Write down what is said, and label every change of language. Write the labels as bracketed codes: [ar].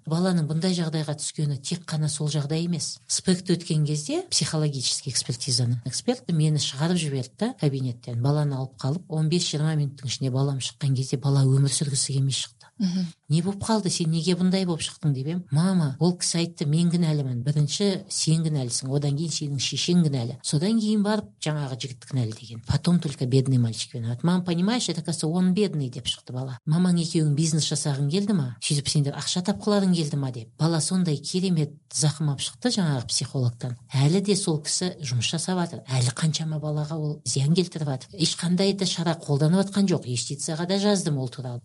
[kk] Баланың бұндай жағдайға түскені тек қана сол жағдай емес. Спектр өткен кезде психологический экспертизаның эксперті мені шығарып жіберді кабинеттен. Баланы алып қалып, 15-20 минуттың ішінде балам шыққан кезде бала өмір сүргісі келмей шықты. Не болып қалды, сен неге бұндай болып шықтың деп ем. Мама, ол кісі айтты, мен кінәлімін. Бірінші сен кінәлісің, одан кейін сенің шешең кінәлі. Содан кейін барып жаңағы жігіт кінәлі деген. [ru] Потом только бедный мальчик виноват. Мама, понимаешь, это кажется, он бедный [kk] деп шықты бала. Мамаң екеуің бизнес жасағың келді ма? Сөйтіп сендер ақша тапқыларың келді ма деп. Бала сондай керемет зақымап шықты жаңағы психологтан. Әлі де сол кісі жұмыс жасап жатыр. Әлі қаншама балаға ол зиян келтіріп жатыр. Ешқандай да шара қолданып жатқан жоқ. Естіцаға да жаздым ол туралы.